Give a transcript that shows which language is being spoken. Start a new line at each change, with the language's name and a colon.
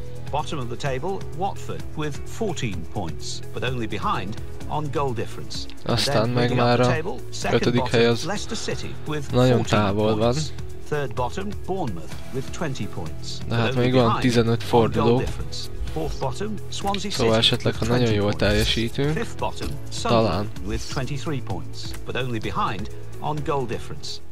English: Bottom of the table, Watford with 14 points, but only behind on goal difference.
Hungarian: Aztán meg már a 5. hely az nagyon távol van.
English: Third bottom, Bournemouth with 20 points.
Hungarian: De hát még van 15 forduló.
English: Fourth bottom, Swansea City.
Hungarian: Szóval esetleg, ha nagyon jól teljesítünk, talán.
English: With 23 points, but only behind on goal difference.